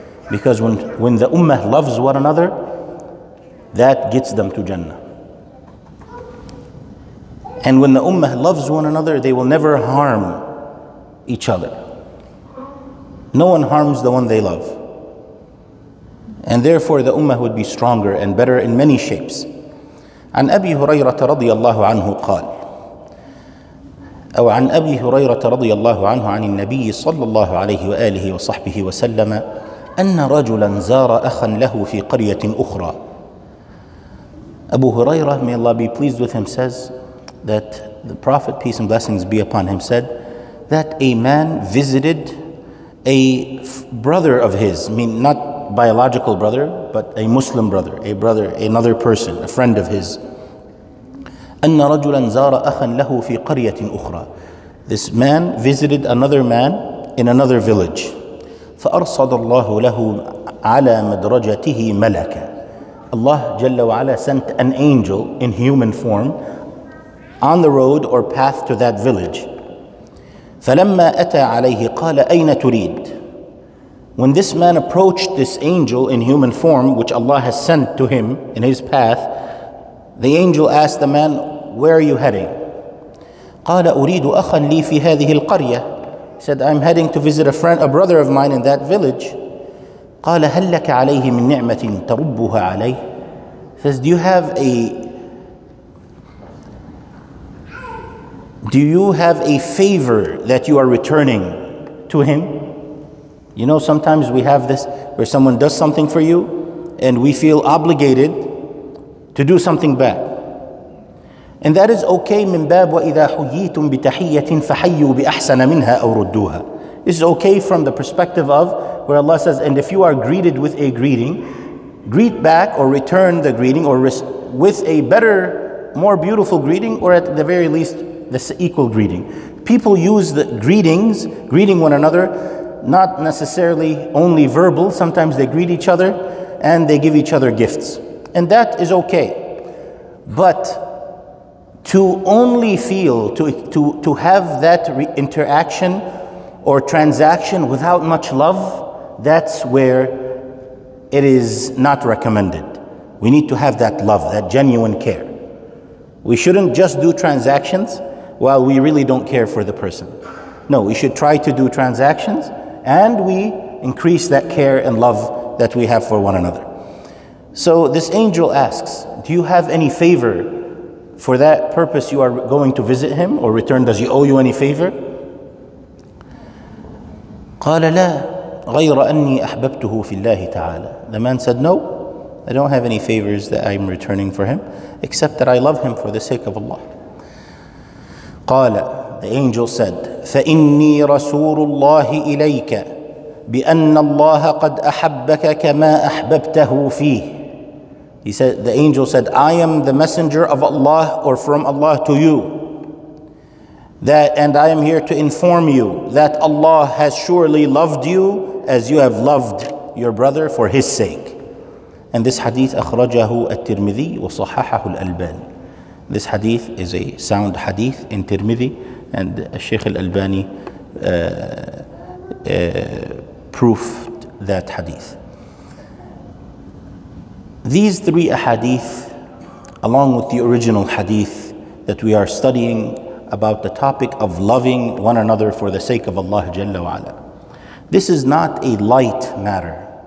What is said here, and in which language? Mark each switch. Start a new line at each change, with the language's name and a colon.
English: Because when the ummah loves one another, that gets them to Jannah. And when the ummah loves one another, they will never harm each other. No one harms the one they love. And therefore the ummah would be stronger and better in many shapes.
Arabic: عن أبي هريرة رضي الله عنه قال أو عن أبي هريرة رضي الله عنه عن النبي صلى الله عليه وآله وصحبه وسلم أن رجلا زار أخا له في قرية أخرى.
English: Abu Huraira, may Allah be pleased with him, says that the Prophet, peace and blessings be upon him, said that a man visited a brother of his, I mean not biological brother, but a Muslim brother, a brother, another person, a friend of his.
Arabic: أن رجلا زار أخا له في قرية أخرى.
English: This man visited another man in another village.
Arabic: فأرصد الله له على مدرجته ملكا.
English: Allah
Arabic: جل وعلا
English: sent an angel in human form on the road or path to that village.
Arabic: فلما أتى عليه قال أين تريد.
English: When this man approached this angel in human form, which Allah has sent to him in his path, the angel asked the man, where are you heading?
Arabic: قال أريد أخا لي في هذه القرية.
English: He said, I'm heading to visit a brother of mine in that village.
Arabic: قال هل لك عليه من نعمة تربها عليه.
English: He says, do you have a favor that you are returning to him? You know, sometimes we have this where someone does something for you and we feel obligated to do something back. And that is okay,
Arabic: من باب وإذا حييتم بتحية فحيوا بأحسن منها أو ردوها.
English: This is okay from the perspective of where Allah says, and if you are greeted with a greeting, greet back or return the greeting or with a better, more beautiful greeting, or at the very least, this equal greeting. People use the greeting one another, not necessarily only verbal. Sometimes they greet each other and they give each other gifts. And that is okay. But to only feel, to have that interaction or transaction without much love, that's where it is not recommended. We need to have that love, that genuine care. We shouldn't just do transactions while we really don't care for the person. No, we should try to do transactions and we increase that care and love that we have for one another. So this angel asks, do you have any favor for that purpose you are going to visit him or return? Does he owe you any favor?
Arabic: قال لا غير أني أحببته في الله تعالى.
English: The man said, no, I don't have any favors that I'm returning for him, except that I love him for the sake of Allah.
Arabic: قال,
English: the angel said,
Arabic: فإني رسول الله إليك بأن الله قد أحبك كما أحببته فيه.
English: He said, the angel said, I am the messenger of Allah or from Allah to you. And I am here to inform you that Allah has surely loved you as you have loved your brother for his sake. And this hadith
Arabic: أخرجه الترمذي وصححه الألباني.
English: This hadith is a sound hadith in Tirmidhi, and Sheikh al-Albani proofed that hadith. These three ahadith, along with the original hadith that we are studying about the topic of loving one another for the sake of Allah Jalla wa Ala, this is not a light matter.